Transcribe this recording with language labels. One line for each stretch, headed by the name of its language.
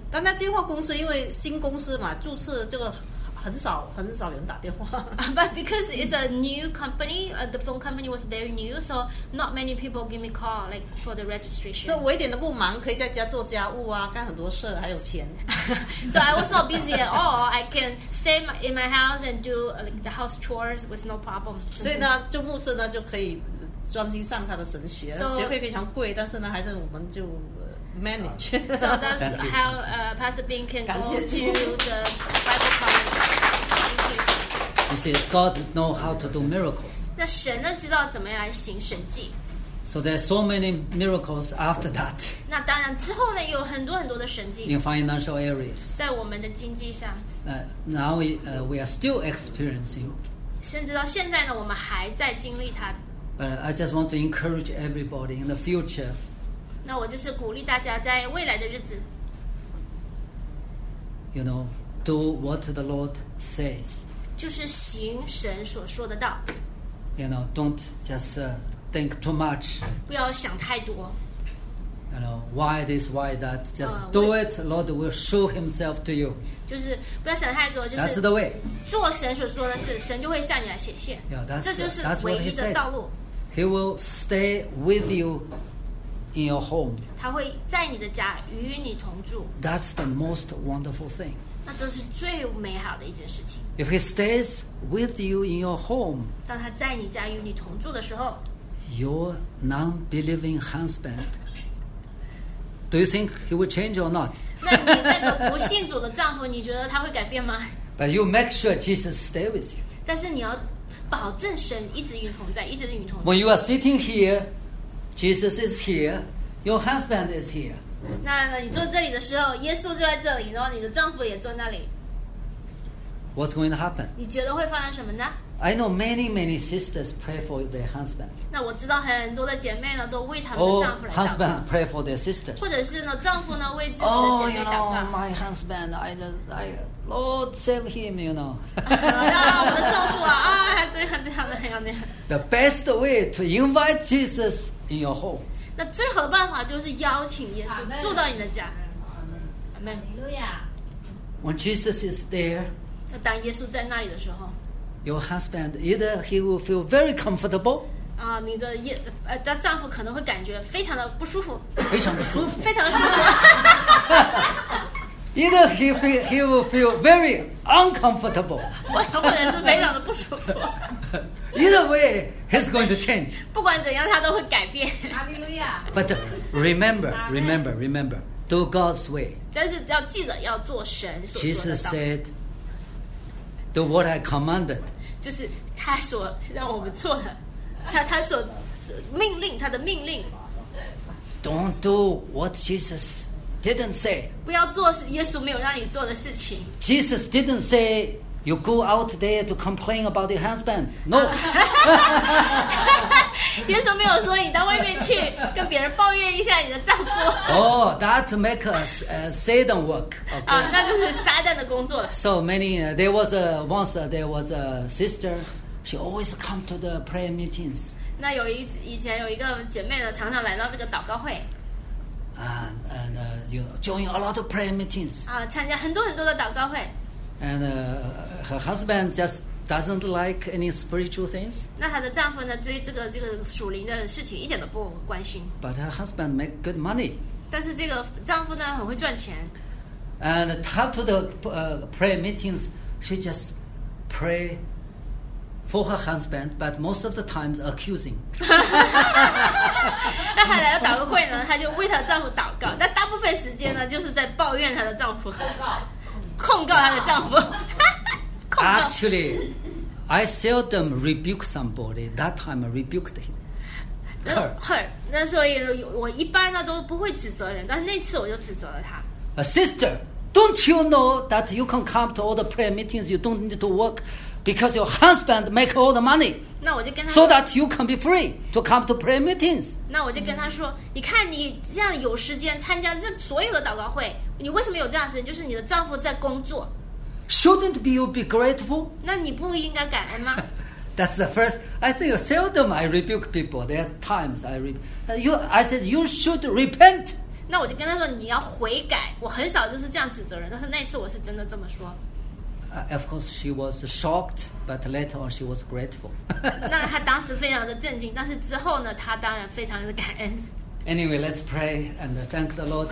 Chinese: 但那电话公司因为新公司嘛，注册这个很少人打电话。
English: But because it's a new company, the phone company was very new, so not many people give me call like for the registration. So
Chinese: 我一点都不忙，可以在家做家务啊，干很多事，还有钱。
English: So I was not busy at all. I can stay in my house and do like the house chores with no problem.
Chinese: 所以呢，就牧师呢就可以专心上他的神学。
English: So,
Chinese: 学费非常贵，但是呢，还是我们就
English: manage. So that's how Pastor Bing can go to the Bible college. You see, God knows how to do miracles.
Chinese: 那神呢知道怎么来行神迹。
English: So there are so many miracles after that.
Chinese: 那当然之后呢有很多很多的神迹。
English: In financial areas.
Chinese: 在我们的经济上。
English: Now we are still experiencing.
Chinese: 甚至到现在呢我们还在经历它。
English: But I just want to encourage everybody in the future.
Chinese: 那我就是鼓励大家在未来的日子
English: You know, do what the Lord says.
Chinese: 就是行神所说的道
English: You know, don't just think too much.
Chinese: 不要想太多
English: You know, why this, why that. Just do it, Lord will show himself to you.
Chinese: 就是不要想太多、就是、
English: That's the way.
Chinese: 做神所说的事神就会向你来显现
English: yeah, that's,
Chinese: 这就是唯一的道路
English: that's what he said. He will stay with youin your home.
Chinese: 他会在你的家与你同住。
English: That's the most wonderful thing.
Chinese: 那这是最美好的一件事情。
English: If he stays with you in your home,
Chinese: 当他在你家与你同住的时候，
English: your non-believing husband, do you think he will change or not?
Chinese: 那你那个不信主的丈夫，你觉得他会改变吗？
English: But you make sure Jesus stay with you.
Chinese: 但是你要保证神一直与你同在，一直与你同在。
English: When you are sitting here, Jesus is here, your husband is here.
Chinese: 那你坐这里的时候，耶稣就在这里，然后你的丈夫也坐那里。
English: What's going to happen?
Chinese: 你觉得会发生什么呢？
English: I know many, many sisters pray for their husbands.
Chinese: 那我知道很多的姐妹呢，都为他们的丈夫来祷告。
English: Oh, husbands pray for their sisters.
Chinese: 或者是呢，丈夫呢为自己的姐妹祷告。
English: Oh, you know, my husband, Lord save him, you know.
Chinese: 让我的丈夫啊，这样。
English: The best way to invite Jesus in your home.
Chinese: 那最好的办法就是邀请耶稣住到你的家。
English: Amen. Hallelujah. When Jesus is there.
Chinese: 那当耶稣在那里的时候。
English: Your husband either he will feel very comfortable.
Chinese: 啊，你的他丈夫可能会感觉非常的不舒服。非常的舒服。非常舒服。
English: Either he will feel very uncomfortable.
Chinese: 或者是非常的不舒服。
English: Either way, he's going to change.
Chinese: 不管怎样，他都会改变。
English: Hallelujah. But remember, do God's way.
Chinese: 但是要记得要做神所说的道。
English: Jesus said. The what I commanded,
Chinese: 就是他所让我们做的，他所命令他的命令。
English: Don't do what Jesus didn't say.
Chinese: 不要做耶稣没有让你做的事情。
English: Jesus didn't say you go out there to complain about your husband. No.
Chinese: 耶稣没有说你到外面去跟别人抱怨一下你的丈夫。
English: Oh, that makes us Satan work. Okay.
Chinese: 啊，那就是撒旦的工作了。
English: So many there was a once there was a sister, she always come to the prayer meetings.
Chinese: 那有一以前有一个姐妹呢，常常来到这个祷告会。
English: And you join a lot of prayer meetings.
Chinese: 啊，参加很多很多的祷告会。
English: And her husband just. Doesn't like any spiritual things.
Chinese: 那她的丈夫呢？对这个属灵的事情一点都不关心。
English: But her husband make good money.
Chinese: 但是这个丈夫呢，很会赚钱。
English: And talk to the prayer meetings, she just pray for her husband, but most of the times accusing.
Chinese: 那她来到祷告会呢，她就为她丈夫祷告。那大部分时间呢，就是在抱怨她的丈夫，控告她的丈夫。
English: Actually, I seldom rebuke somebody. That time, I rebuked him. Her.
Chinese: 那所以我一般呢都不会指责人，但是那次我就指责了他。
English: A sister, don't you know that you can come to all the prayer meetings? You don't need to work because your husband make all the money.
Chinese: 那我就跟他说
English: so that you can be free to come to prayer meetings.
Chinese: 那我就跟他说，你看你这样有时间参加这所有的祷告会，你为什么有这样时间？就是你的丈夫在工作。
English: Shouldn't you be grateful?
Chinese: 那你不应该感恩吗？
English: That's the first. I think seldom I rebuke people. There are times I said you should repent.
Chinese: 那我就跟他说你要悔改。我很少就是这样指责人，但是那次我是真的这么说。
English: Of course, she was shocked, but later on she was grateful.
Chinese: 那她当时非常的震惊，但是之后呢，她当然非常的感恩。
English: Anyway, let's pray and thank the Lord.